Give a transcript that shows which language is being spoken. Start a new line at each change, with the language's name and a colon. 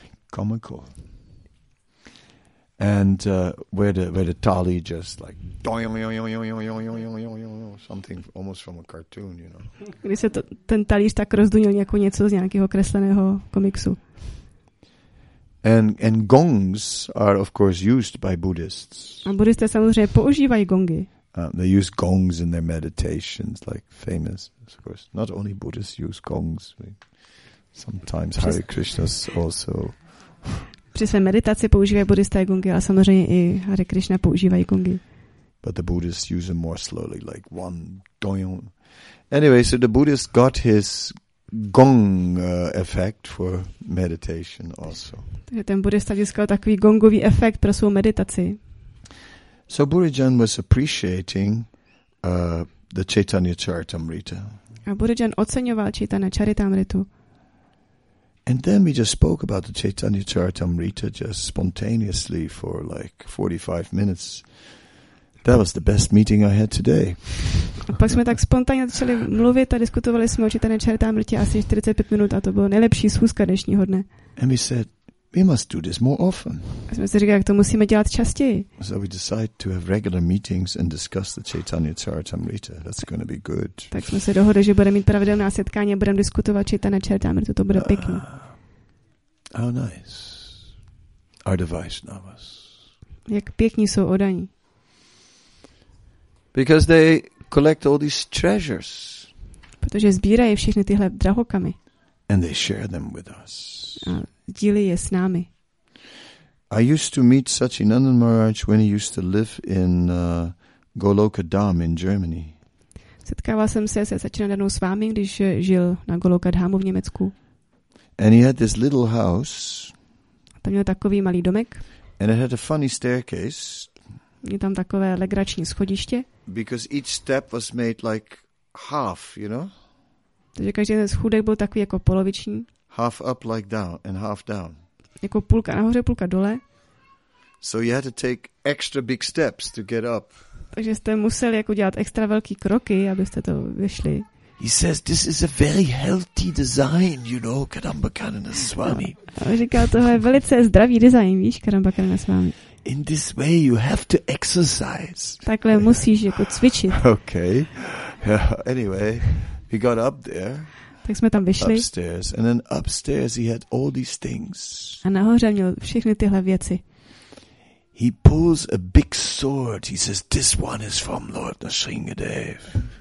English: Comical. And where the tali just like something almost from a cartoon, you know.
Czech: Když se ten talíř tak rozdunil jako něco z nějakého kresleného komiksu.
English: And gongs are of course used by Buddhists.
Czech: A buddhisté samozřejmě používají gongy.
English: They use gongs in their meditations, like famous, of course. Not only Buddhists use gongs. Sometimes Hare Krishnas also.
Czech: Při své meditaci používají buddhisté gongy, ale samozřejmě i Hare Krishna používají gongy.
English: But the Buddhists use them more slowly, like one doyon. Anyway, so the Buddhist got his gong effect for meditation also.
Czech: Takže ten buddhista získal takový gongový efekt pro svou meditaci.
English: So Burijan was appreciating the Chaitanya Charitamrita.
Czech: A Burijan oceňoval Chaitanya Charitamritu.
English: And then we just spoke about the Chaitanya Charitamrita just spontaneously for like 45 minutes. That was the best meeting I had today.
Czech: A pak jsme tak spontánně začali mluvit a diskutovali jsme o Chaitanya Charitamritě asi 45 minut a to bylo nejlepší schůzka dnešního dne.
English: And we said, we must do this more often.
Czech: A jsme si říkali, jak to musíme dělat častěji.
English: So we decide to have regular meetings and discuss the Chaitanya Charitamrita. That's going to be good.
Czech: Tak jsme se dohodli, že budeme mít pravidelná setkání a budeme diskutovat Chaitanya Charitamrita. To bude pěkný.
English: How nice are the Vaishnavas.
Czech: Jak pěkní jsou odaní.
English: Because they collect all these treasures.
Czech: Protože sbírají všechny tyhle drahokamy.
English: And they share them with us.
Czech: A dílí je s námi.
English: I used to meet Satchinandan Maharaj when he used to live in Goloka Dham in Germany.
Czech: Setkával jsem se se Satchinandanou Swami, když žil na Goloka Dhamu v Německu.
English: And he had this little house.
Czech: Tam měl takový malý domek.
English: And it had a funny staircase.
Czech: Je tam takové legrační schodiště.
English: Because each step was made like half, you know?
Czech: Takže každý ten schůdek byl takový jako poloviční.
English: Half up like down and half down.
Czech: Jako půlka nahoře, půlka dole.
English: So you had to take extra big steps to get up.
Czech: Takže jste museli jako dělat extra velký kroky, abyste to vyšli.
English: He says this is a very healthy design, you know, Kadambakarana Swami.
Czech: On říká, tohle je velice zdravý design, víš, Kadambakarana Swami.
English: In this way you have to exercise.
Czech: Takhle musíš jako cvičit.
English: Okay. Yeah. Anyway, he got up there.
Czech: Tak jsme tam vyšli.
English: Upstairs, and then upstairs he had all these things.
Czech: A nahoře měl všechny tyhle věci.
English: He pulls a big sword. He says this one is from Lord Nrsingadev.